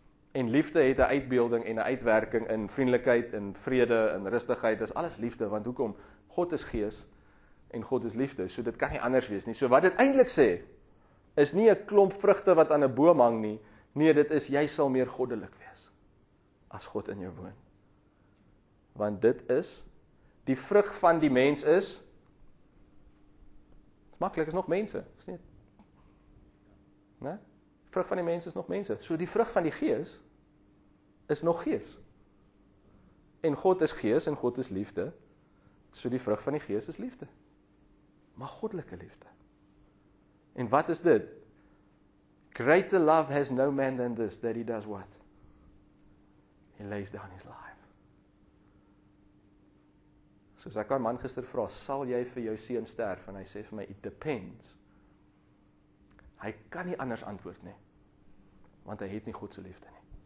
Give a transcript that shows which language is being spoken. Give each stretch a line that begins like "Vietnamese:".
Afrikaans: En liefde het 'n uitbeelding en 'n uitwerking in vriendelikheid en vrede en rustigheid. Dis alles liefde, want hoekom? God is gees en God is liefde. So dit kan nie anders wees nie. So wat dit eintlik sê, is nie 'n klomp vrugte wat aan 'n boom hang nie. Nee, dit is jy sal meer goddelik wees as God in jou woon. Want dit is, die vrug van die mens is, het is makkelijk, is nog mense. Is nie, ne? Vrug van die mens is nog mense. So die vrug van die gees is nog gees. En God is gees en God is liefde. So die vrug van die gees is liefde. Maar goddelike liefde. En wat is dit?
English: Greater love has no man than this, that he does what? He lays down his life.
Afrikaans: Soos ek aan man gister vra, sal jy vir jou seun sterf? En hy sê vir my,
English: it depends.
Afrikaans: Hy kan nie anders antwoord nie. Want hy het nie God se liefde nie.